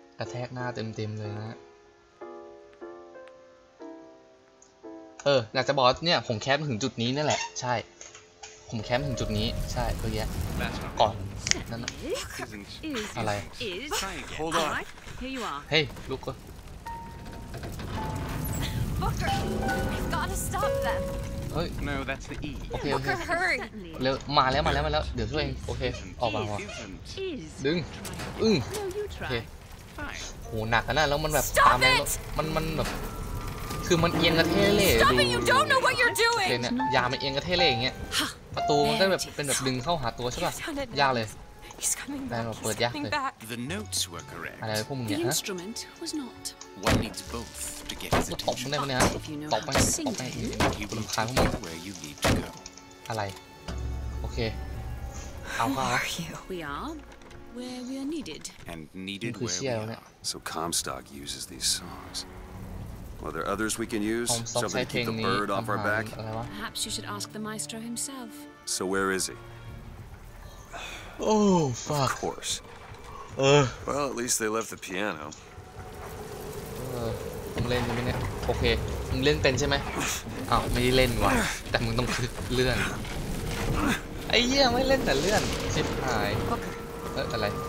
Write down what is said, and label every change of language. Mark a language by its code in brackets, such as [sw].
[th] แทกหน้าเต็มๆเลยนะเอออยากจะบอกเนี่ยผมแคปถึงจุดนี้นั่นแหละใช่ผมแคปถึงจุดนี้ใช่เพื่อแยะก่อนนั่นอะไรเฮ้ยลุกก่อน [en] บุ๊กเกอร์ I've got to stop them [th] เฮ้ย [en] no that's the e [th] โอเคโอเคเร็วมาแล้วมาแล้วมาแล้วเดี๋ยวช่วยเองโอเคออกมาก่อนดึงอึ้งโอเคโหหนักนะแล้วมันแบบตามแรงมันแบบคือมันเอียงกระเทเล่ดูเนี่ยยามันเอียงกระเทเล่อย่างเงี้ยประตูมันก็แบบเป็นแบบดึงเข้าหาตัวใช่ป่ะยากเลยได้แบบเปิดยากเลย [en] The notes were correct. [th] อะไรพวกมึงเนี่ยฮะ [en] The instrument was not. One needs both to get his attention. [th] ตบไปตบไปอีกคนคลายพวกมึงอะไรโอเคเอาครับ [en] We areWhere we are needed. And needed where we are. So Comstock uses these songs. Are there others we can use? Somebody keep the bird off our back? Perhaps you should ask the maestro himself. So where is he? Oh, fuck. Of course. Well, at least they left the piano. [th] มึงเล่นใช่ไหมเนี่ยโอเคมึงเล่นเป็นใช่ไหมอ้าวไม่ได้เล่นว่ะแต่มึงต้องคือเลื่อนไอ้เหี้ยไม่เล่นแต่เลื่อนชิบหายอะไร